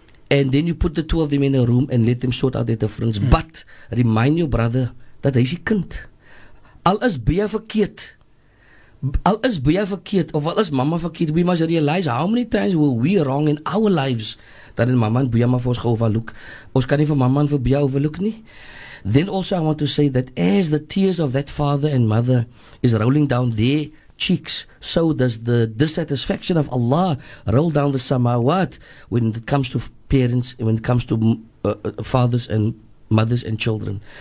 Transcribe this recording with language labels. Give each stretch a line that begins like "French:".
English: And then you put the two of them in a room and let them sort out their difference. But remind your brother that he's a kind.
Afrikaans: Al is beya verkeerd. Al is beya verkeerd, of al is mama verkeerd,
English: we must realize how many times were we wrong in our lives that in mama and beya ma for us overlook.
Afrikaans: Ons kan nie vir mama en vir beya overlook nie.
English: Then also I want to say that as the tears of that father and mother is rolling down their cheeks, so does the dissatisfaction of Allah roll down the samawat when it comes to parents, when it comes to fathers and mothers and children.